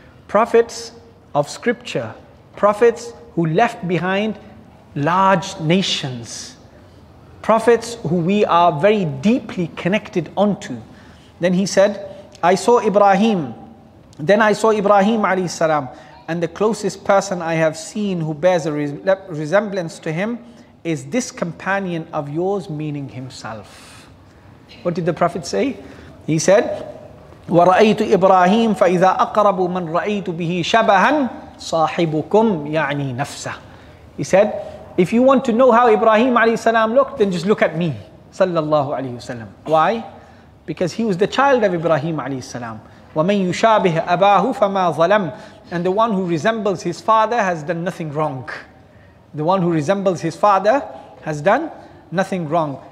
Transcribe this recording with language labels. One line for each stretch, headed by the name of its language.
English: Prophets of scripture, prophets who left behind large nations, prophets who we are very deeply connected onto. Then he said, I saw Ibrahim. Then I saw Ibrahim alayhi salam. And the closest person I have seen who bears a resemblance to him is this companion of yours, meaning himself. What did the Prophet say? He said,
Arabic: وَرَأَيْتُ إِبْرَاهِيمُ فَإِذَا أَقْرَبُ مَنْ رَأَيْتُ بِهِ شَبَهًا صَاحِبُكُمْ يَعْنِي نَفْسَهُ.
English: He said, if you want to know how Ibrahim
Arabic: عليه السلام
English: looked, then just look at me, sallallahu alayhi wasallam. Why? Because he was the child of Ibrahim
Arabic: عليه السلام. وَمَنْ يُشَابِهَ أَبَاهُ فَمَا ظَلَمْ.
English: And the one who resembles his father has done nothing wrong. The one who resembles his father has done nothing wrong.